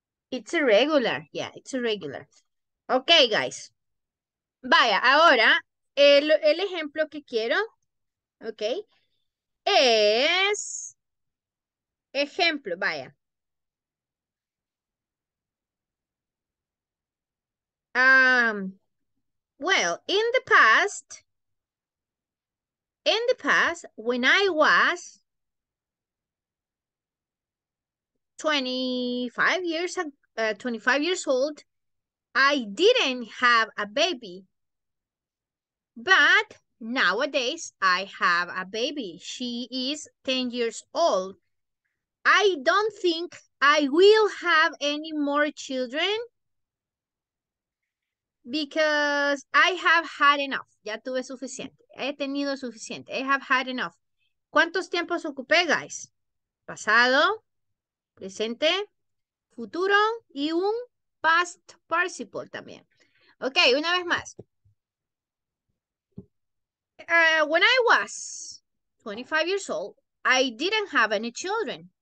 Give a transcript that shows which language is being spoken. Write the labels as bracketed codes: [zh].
[en] It It's a regular. Yeah, it's a regular. Okay, guys. [es] Vaya, ahora, el ejemplo que quiero, okay, es ejemplo, vaya. [en] Well, in the past, when I was 25 years old, I didn't have a baby. But nowadays, I have a baby. She is 10 years old. I don't think I will have any more children because I have had enough. [es] Ya tuve suficiente. He tenido suficiente. [en] I have had enough. [es] ¿Cuántos tiempos ocupé, guys? Pasado, presente, futuro y un past participle también. Okay, una vez más. [en] When I was 25 years old, I didn't have any children.